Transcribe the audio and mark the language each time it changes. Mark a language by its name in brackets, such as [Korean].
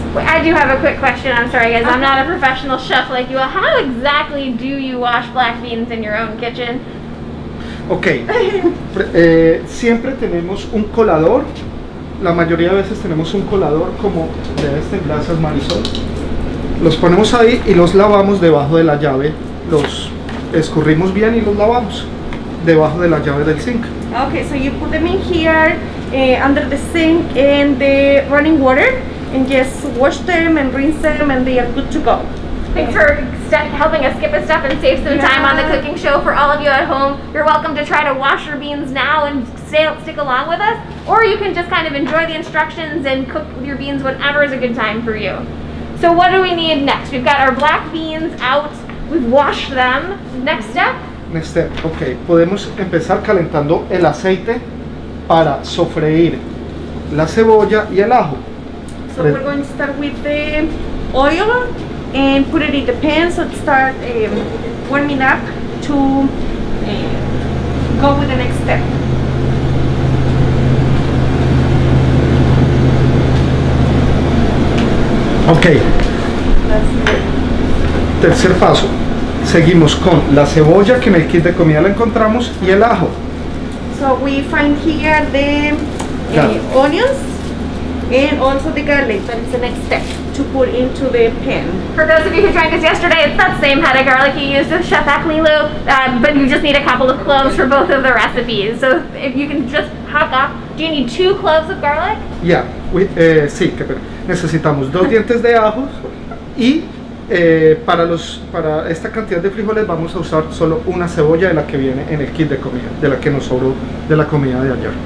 [English] I do have a quick question, I'm sorry guys. I'm not a professional chef like you. How exactly do you wash black beans in your own kitchen? [Spanish] Okay, siempre tenemos un colador. La mayoría de veces tenemos un colador como de este, gracias Marisol. Los ponemos ahí y los lavamos debajo de la llave. Los escurrimos bien y los lavamos debajo de la llave del sink. [English] Okay, so you put them in here, under the sink and the running water, and just wash them and rinse them, and they are good to go. Thanks for helping us skip a step and save some time on the cooking show for all of you at home. You're welcome to try to wash your beans now and stick along with us, or you can just kind of enjoy the instructions and cook your beans whenever is a good time for you. So what do we need next? We've got our black beans out. We've washed them. Next step? Next step, okay. [Spanish] Podemos empezar calentando el aceite para sofreír la cebolla y el ajo. [English] So we're going to start with the oil and put it in the pan, so to start warming up to go with the next step. Okay. [Spanish] Tercer paso. Seguimos con la cebolla que en el kit de comida la encontramos y el ajo. [English] So we find here the onions and also the garlic. That is the next step to put into the pan. For those of you who drank us yesterday, it's that same head of garlic you used with Chef Aklilu, but you just need a couple of cloves for both of the recipes. So if you can just hop off. Do you need 2 cloves of garlic? Yeah. [Spanish] Sí, necesitamos 2 dientes de ajo y para esta cantidad de frijoles vamos a usar solo una cebolla de la que viene en el kit de comida, de la que nos sobró de la comida de ayer.